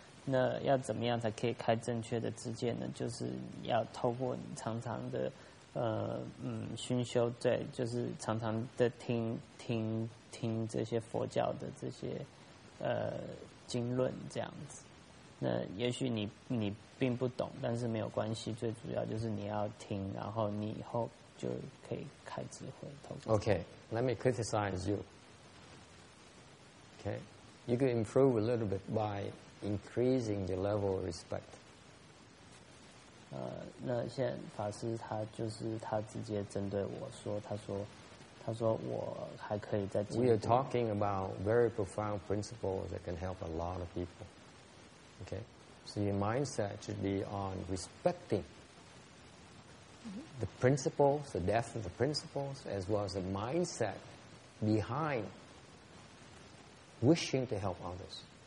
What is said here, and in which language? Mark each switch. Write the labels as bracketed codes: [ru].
[zh] 那要怎么样才可以开正确的知见呢？就是要透过你常常的熏修，对，就是常常的听这些佛教的这些经论这样子。那也许你并不懂，但是没有关系，最主要就是你要听，然后你以后就可以开智慧。 [en] Okay, let me criticize you. Okay, you can improve a little bit by increasing the level of respect. [zh] 那现在法师他直接针对我说，他说我还可以再进步。 [en] We are talking about very profound principles that can help a lot of people. Okay, so your mindset should be on respecting the principles, the depth of the principles, as well as the mindset behind wishing to help others.